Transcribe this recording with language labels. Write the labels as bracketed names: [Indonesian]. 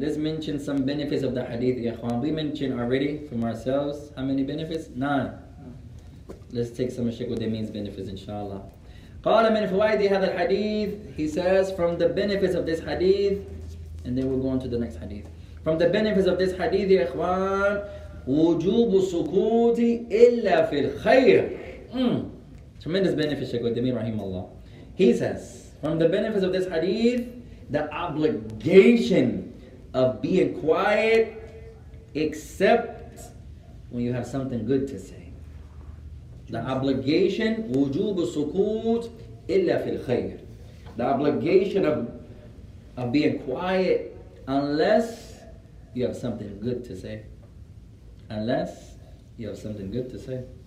[English] Let's mention some benefits of the hadith, يا اخوان. We mentioned already from ourselves. How many benefits? 9. Let's take some shake what they means benefits, inshallah. [Arabic] قال من فوائد هذا الحديث. [English] He says, from the benefits of this hadith, and then we'll go on to the next hadith. From the benefits of this hadith, يا اخوان, [Arabic] وجوب سكوت إلا في الخير. [English] Tremendous benefit, [Arabic] شيخ الدمير رحمه الله. [English] He says, from the benefits of this hadith, the obligation of being quiet except when you have something good to say. The obligation, [Arabic] وجوب سكوت إلا في الخير. [English] The obligation of being quiet unless you have something good to say. Unless you have something good to say.